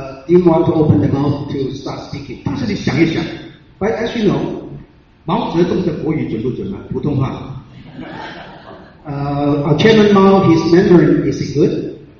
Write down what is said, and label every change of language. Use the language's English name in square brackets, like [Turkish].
[English] didn't want to open the mouth to start speaking. [Chinese] 但是你想一想, [English] but as you know, [Chinese] 毛泽东的国语准不准啊, 普通话? [English] Chairman Mao, his Mandarin is good.